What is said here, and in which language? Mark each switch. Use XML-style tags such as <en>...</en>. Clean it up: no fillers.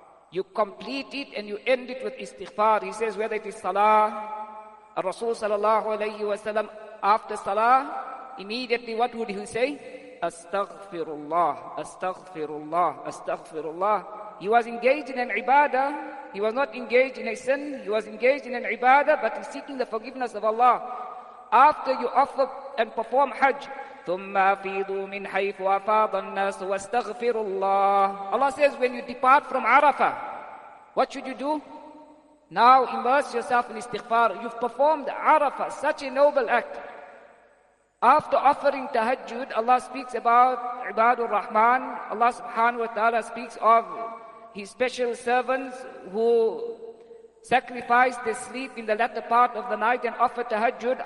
<en>You complete it and you end it with istighfar. He says whether it is salah, Rasul sallallahu alayhi wa sallam, after salah, immediately what would he say?</en> <ar>Astaghfirullah, astaghfirullah, astaghfirullah.</ar> <en>He was engaged in an ibadah. He was not engaged in a sin. He was engaged in an ibadah, but he's seeking the forgiveness of Allah. After you offer and perform hajj,</en> <ar>ثُمَّ أَفِيضُوا مِنْ حَيْفُ أَفَاضَ النَّاسُ وَاسْتَغْفِرُ اللَّهِ.</ar> <en>Allah says, when you depart from Arafah, what should you do? Now immerse yourself in istighfar. You've performed Arafah, such a noble act. After offering tahajjud, Allah speaks about Ibadur Rahman. Allah subhanahu wa ta'ala speaks of His special servants who sacrifice their sleep in the latter part of the night and offer tahajjud.</en>